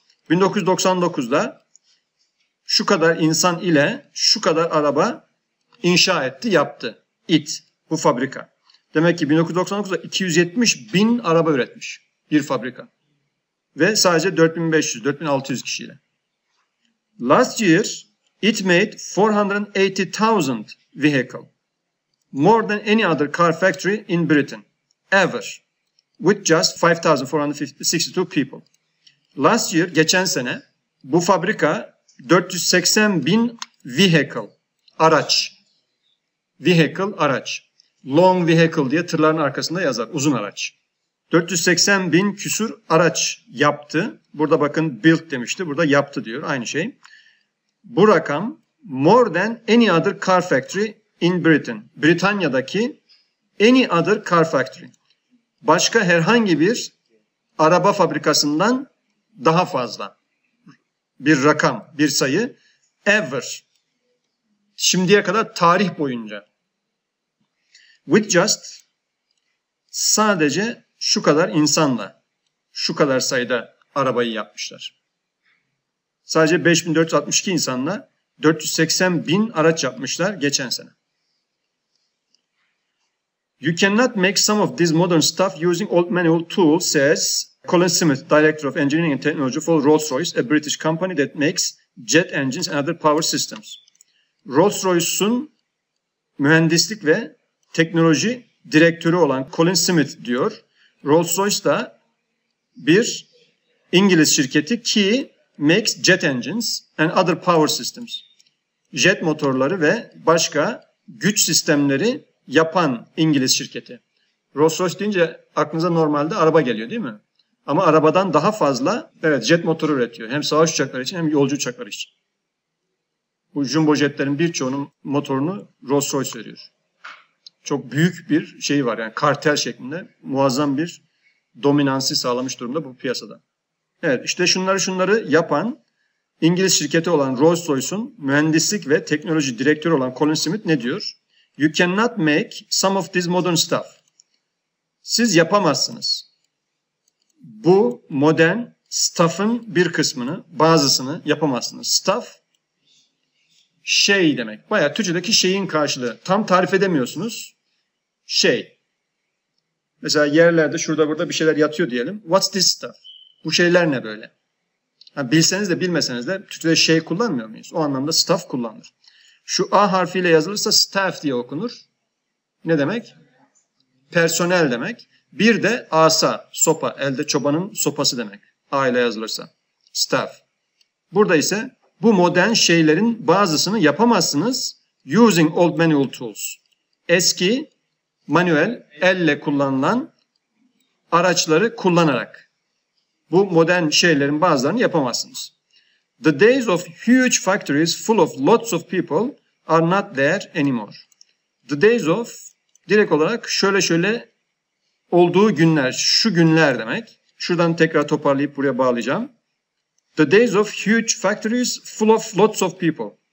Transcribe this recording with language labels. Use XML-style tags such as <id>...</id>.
<tr>1999'da şu kadar insan ile şu kadar araba inşa etti, yaptı.</tr> <en>It,</en> <tr>bu fabrika. Demek ki 1999'da 270 bin araba üretmiş bir fabrika. Ve sadece 4,500-4,600 kişiyle.</tr> <en>Last year, it made 480,000 vehicle, more than any other car factory in Britain ever, with just 5,462 people. Last year,</en> <tr>geçen sene, bu fabrika 480 bin vehicle, araç, vehicle, araç,</tr> <en>long vehicle</en> <tr>diye tırların arkasında yazar, uzun araç. 480 bin küsur araç yaptı, burada bakın built demişti, burada yaptı diyor, aynı şey. Bu rakam</tr> <en>more than any other car factory in Britain.</en> <tr>Britanya'daki</tr> <en>any other car factory.</en> <tr>Başka herhangi bir araba fabrikasından daha fazla bir rakam, bir sayı</tr> <en>ever.</en> <tr>Şimdiye kadar tarih boyunca.</tr> <en>With just</en> <tr>sadece şu kadar insanla şu kadar sayıda arabayı yapmışlar. Sadece 5462 insanla 480 bin araç yapmışlar geçen sene.</tr> <en>You cannot make some of this modern stuff using old manual tools, says Colin Smith, Director of Engineering and Technology for Rolls-Royce, a British company that makes jet engines and other power systems.</en> <tr>Rolls-Royce'un mühendislik ve teknoloji direktörü olan Colin Smith diyor. Rolls-Royce da bir İngiliz şirketi ki</tr> <en>makes jet engines and other power systems.</en> <tr>Jet motorları ve başka güç sistemleri yapan İngiliz şirketi. Rolls-Royce deyince aklınıza normalde araba geliyor değil mi? Ama arabadan daha fazla evet jet motoru üretiyor. Hem savaş uçakları için hem yolcu uçakları için. Bu jumbo jetlerin birçoğunun motorunu Rolls-Royce veriyor. Çok büyük bir şey var yani kartel şeklinde muazzam bir dominansı sağlamış durumda bu piyasada. Evet işte şunları yapan İngiliz şirketi olan Rolls-Royce'un mühendislik ve teknoloji direktörü olan Colin Smith ne diyor?</tr> <en>You cannot make some of this modern stuff.</en> <tr>Siz yapamazsınız. Bu modern stuff'ın bir kısmını, bazısını yapamazsınız. Stuff şey demek. Bayağı Türkçedeki şeyin karşılığı. Tam tarif edemiyorsunuz. Şey. Mesela yerlerde şurada burada bir şeyler yatıyor diyelim.</tr> <en>What's this stuff?</en> <tr>Bu şeyler ne böyle? Yani bilseniz de bilmeseniz de Türkçe'de şey kullanmıyor muyuz? O anlamda staff kullanılır. Şu A harfiyle yazılırsa staff diye okunur. Ne demek? Personel demek. Bir de asa, sopa. Elde çobanın sopası demek. A ile yazılırsa. Staff. Burada ise bu modern şeylerin bazısını yapamazsınız.</tr> <en>using old manual tools.</en> <tr>Eski manuel elle kullanılan araçları kullanarak bu modern şeylerin bazılarını yapamazsınız.</tr> <en>The days of huge factories full of lots of people are not there anymore. The days of</en> <tr>direkt olarak şöyle şöyle olduğu günler, şu günler demek. Şuradan tekrar toparlayıp buraya bağlayacağım.</tr> <en>The days of huge factories full of lots of people.</en>